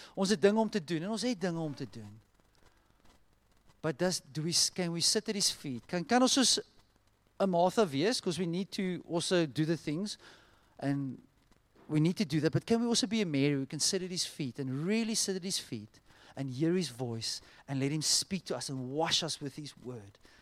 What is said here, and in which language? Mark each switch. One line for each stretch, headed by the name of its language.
Afrikaans: Ons het dinge om te doen, en ons het dinge om te doen.
English: But can we sit at his feet?
Afrikaans: Kan ons soos 'n Martha wees?
English: Because we need to also do the things. And we need to do that. But can we also be a Mary? We can sit at his feet, and really sit at his feet, and hear his voice, and let him speak to us, and wash us with his word.